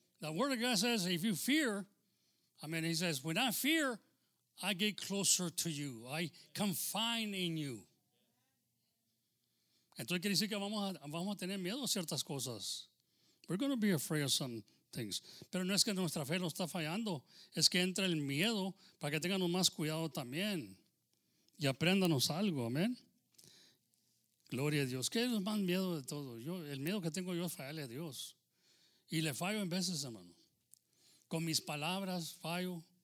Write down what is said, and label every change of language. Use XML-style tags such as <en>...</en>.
<en>The word of God says, if you fear, amén, he says, when I fear, I get closer to you. I confide in you.</en> <es>Entonces quiere decir que vamos a tener miedo a ciertas cosas.</es> <en>We're going to be afraid of some things.</en> <es>Pero no es que nuestra fe nos está fallando. Es que entra el miedo para que tengamos más cuidado también. Y aprendanos algo, amén. Gloria a Dios. ¿Qué es más miedo de todo? Yo, el miedo que tengo yo es fallarle a Dios. Y le fallo en veces, hermano. Con mis palabras fallo.</es>